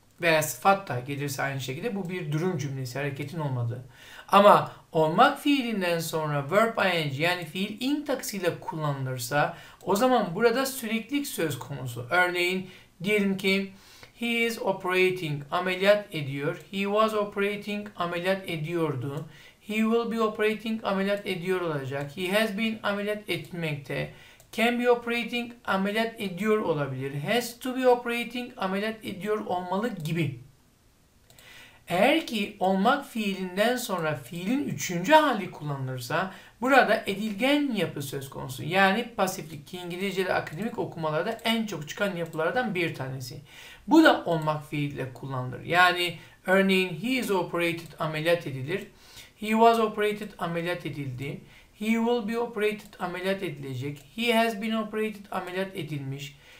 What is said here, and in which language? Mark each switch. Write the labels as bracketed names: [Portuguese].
[Turkish] Veya sıfat da gelirse aynı şekilde bu bir durum cümlesi, hareketin olmadığı. Ama olmak fiilinden sonra verb ing yani fiil ing taksiyle kullanılırsa o zaman burada süreklilik söz konusu. Örneğin diyelim ki [English] he is operating, [Turkish] ameliyat ediyor. [English] He was operating, [Turkish] ameliyat ediyordu. [English] He will be operating, [Turkish] ameliyat ediyor olacak. [English] He has been [Turkish] ameliyat etmekte. [English] Can be operating, [Turkish] ameliyat ediyor olabilir. [English] Has to be operating, [Turkish] ameliyat ediyor olmalı gibi. Eğer ki olmak fiilinden sonra fiilin üçüncü hali kullanılırsa burada edilgen yapı söz konusu. Yani pasiflik ki İngilizce'de akademik okumalarda en çok çıkan yapılardan bir tanesi. Bu da olmak fiiliyle kullanılır. Yani örneğin [English] he is operated [Turkish] ameliyat edilir. [English] He was operated [Turkish] ameliyat edildi. [English] He will be operated [Turkish] ameliyat edilecek. [English] He has been operated [Turkish] ameliyat edilmiş.